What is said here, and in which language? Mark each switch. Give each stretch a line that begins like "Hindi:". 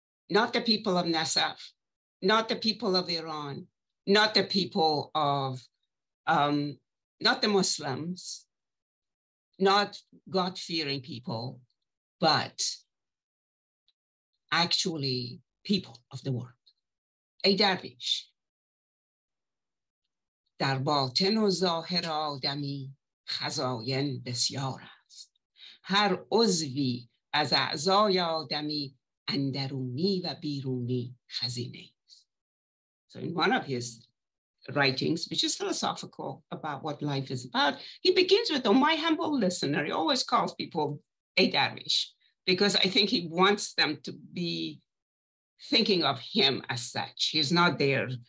English: Not the people of Nasaf, not the people of Iran, not the people of, not the Muslims, not God-fearing people, but actually people of the world. A dervish.
Persian: در باطن و ظاهر آدمی خزاین بسیار است. هر عضوی از اعضای آدمی اندرونی و بیرونی خزینه است.
English: So in one of his writings, which is philosophical about what life is about, he begins with, oh, my humble listener, he always calls people a dervish, because I think he wants them to be thinking of him as such. He's not there